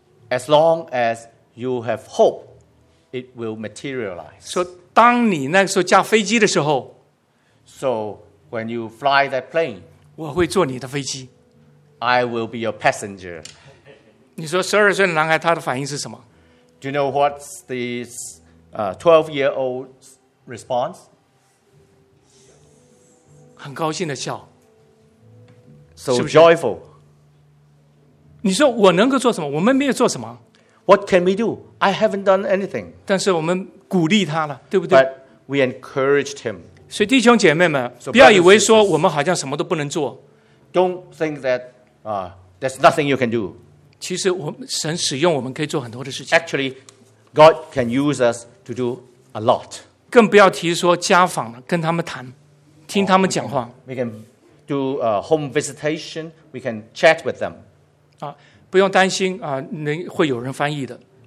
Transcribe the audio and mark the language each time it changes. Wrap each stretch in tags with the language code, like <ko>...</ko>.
<en>As long as you have hope, it will materialize.</en> <zh>说当你那个时候驾飞机的时候，</zh> <en>So when you fly that plane,</en> <zh>我会坐你的飞机。</zh> <en>I will be your passenger.</en> <zh>你说十二岁的男孩他的反应是什么？</zh> <en>Do you know what's the 12-year-old's response?</en> <zh>很高兴的笑。</zh> <en>So joyful.</en> <zh>你说我能够做什么？我们没有做什么。</zh> <en>What can we do? I haven't done anything.</en> <zh>但是我们鼓励他了，对不对？</zh> <en>But we encouraged him.</en> <zh>所以弟兄姐妹们，不要以为说我们好像什么都不能做。</zh> <en>Don't think that there's nothing you can do.</en> <zh>其实我们神使用我们可以做很多的事情。</zh> <en>Actually, God can use us to do a lot.</en> <zh>更不要提说家访了，跟他们谈，听他们讲话。</zh> <en>We can do a home visitation. We can chat with them.</en> <zh>不用担心会有人翻译的。</zh>